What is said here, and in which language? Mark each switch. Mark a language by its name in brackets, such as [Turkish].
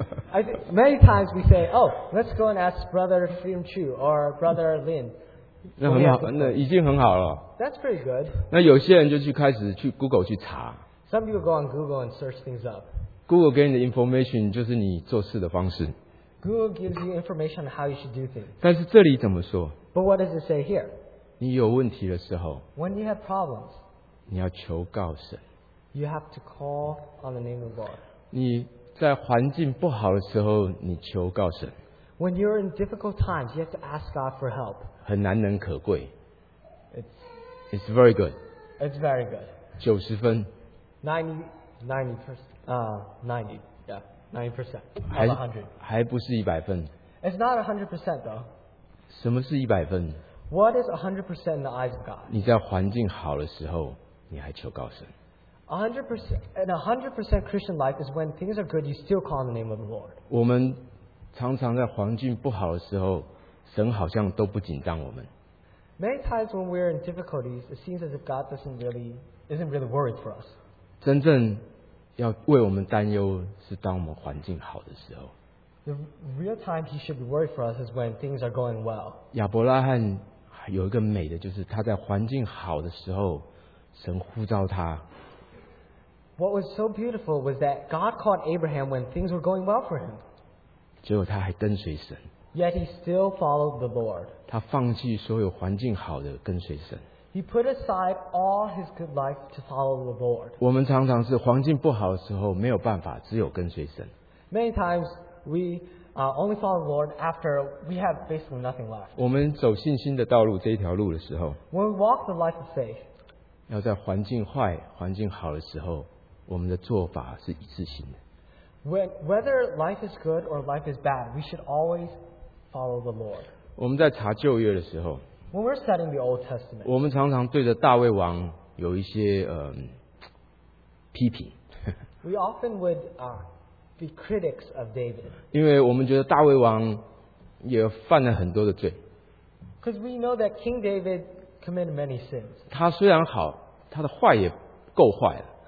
[English] I think many times we say, oh, let's go and ask Brother Fim Chu or Brother Lin. [Chinese] 那已经很好了。 [English] That's pretty good. [Chinese] 那有些人就去开始去 Google去查。 [English] Some people go on Google and search things up. [Chinese] Google给你的 information就是你做事的方式。 [English] Google gives you information on how you should do things. [Chinese] 但是这里怎么说? [English] But what does it say here? [Chinese] 你有问题的时候 [English] ，When you have problems， [Chinese] 你要求告神。 [English] You have to call on the name of God。 [Chinese] 你在环境不好的时候，你求告神。 [English] When you're in difficult times, you have to ask God for help。 [Chinese] 很难能可贵。 [English] It's very good。 It's very good。 [Chinese] 九十分。 [English] 90%, 90%, yeah, 90%, 100%. [Chinese] 还不是100分。 [English] It's not 100% though. [Chinese] 什么是100分? [English] What is 100% in the eyes of God? [Chinese] 你在环境好的时候，你还求告神。 [English] 100% Christian life is when things are good, you still call on the name of the Lord. [Chinese] 我们常常在环境不好的时候，神好像都不紧张我们。 [English] Many times when we're in difficulties, it seems as if God isn't really worried for us. [Chinese] 真正要为我们担忧是当我们环境好的时候。 [English] The real time he should be worried for us is when things are going well. [Chinese] 亚伯拉罕有一个美的就是他在环境好的时候神呼召他。 [English] What was so beautiful was that God called Abraham when things were going well for him. [Chinese] 结果他还跟随神。 [English] Yet he still followed the Lord. [Chinese] 他放弃所有环境好的跟随神。 [English] He put aside all his good life to follow the Lord. [Chinese] 我们常常是环境不好的时候没有办法，只有跟随神。 [English] Many times we only follow the Lord after we have basically nothing left. [Chinese] 我们走信心的道路这一条路的时候 [English] ，When we walk the life of faith, [Chinese] 要在环境坏、环境好的时候，我们的做法是一致性的。 [English] Whether life is good or life is bad, we should always follow the Lord. [Chinese] 我们在查旧约的时候。 [English] When we're studying the Old Testament, [Chinese] 我们常常对着大卫王有一些批评。 [English] We often would be critics of David. [Chinese] 因为我们觉得大卫王也犯了很多的罪。 [English] Because we know that King David committed many sins. [Chinese] 他虽然好，他的坏也够坏了。